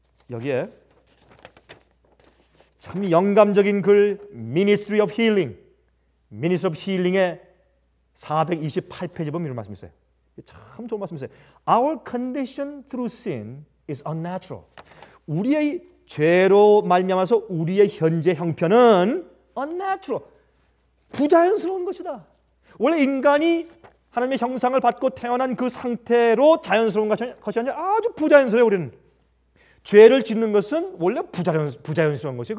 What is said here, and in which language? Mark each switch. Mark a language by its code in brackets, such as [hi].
[ko] 여기에 참 영감적인 글 Ministry of Healing Ministry of Healing의 428페이지 보면 이런 말씀이 있어요. 참 좋은 말씀이 있어요. [en] Our condition through sin is unnatural. [ko] 우리의 죄로 말미암아서 우리의 현재 형편은 unnatural. 부자연스러운 것이다. 원래 인간이 하나님의 형상을 받고 태어난 그 상태로 자연스러운 것이 아니라 아주 부자연스러워요. 우리는 죄를 짓는 것은 원래 부자연스러운 것이에요.